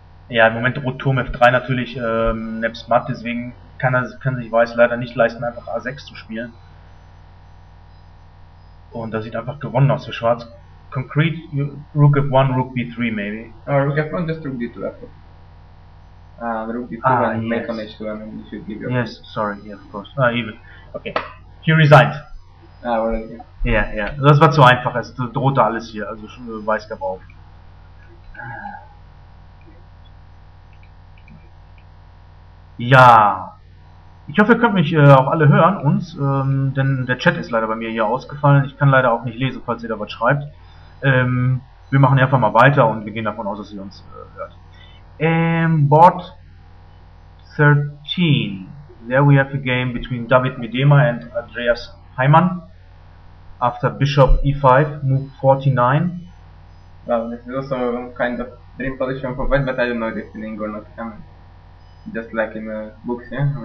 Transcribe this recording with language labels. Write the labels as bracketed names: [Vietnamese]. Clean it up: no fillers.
[German] Ja, im Moment droht Turm f3 natürlich nebst matt, deswegen kann sich Weiß leider nicht leisten, einfach a6 zu spielen. Und da sieht einfach gewonnen aus für Schwarz. [English] Concrete, rook f1, rook b3, maybe. Oh, rook f1, just rook d2, rook b2 and h2, I mean, you should give your... Yes, point. Sorry, yeah, of course. Even. Okay, he resigned. [German] Ja, ja, das war zu einfach, es drohte alles hier, also Weiß gab auf. Ja, ich hoffe, ihr könnt mich auch alle hören, uns, denn der Chat ist leider bei mir hier ausgefallen, ich kann leider auch nicht lesen, falls ihr da was schreibt. Wir machen einfach mal weiter und wir gehen davon aus, dass ihr uns hört. [English] Board 13, there we have a game between David Medema and Andreas Heimann. After bishop e5, move 49. Well, this is also kind of dream position for white, but I don't know if it's winning or not. I mean, just like in the books, yeah?